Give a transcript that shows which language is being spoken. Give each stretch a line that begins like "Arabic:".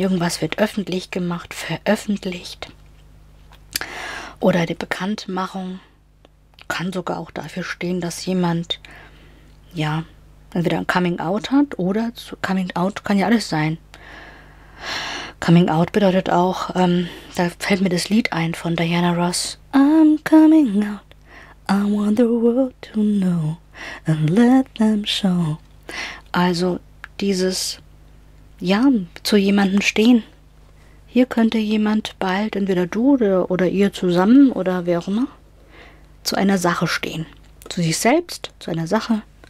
German: Irgendwas wird öffentlich gemacht, veröffentlicht. Oder die Bekanntmachung. Kann sogar auch dafür stehen, dass jemand, ja, entweder ein Coming Out hat oder zu Coming Out kann ja alles sein. Coming Out bedeutet auch, da fällt mir das Lied ein von Diana Ross.
English: I'm coming out, I want the world to know and let them show.
German: Also dieses, ja, zu jemandem stehen. Hier könnte jemand bald, entweder du oder ihr zusammen oder wer auch immer, zu einer Sache stehen. Zu sich selbst, zu einer Sache.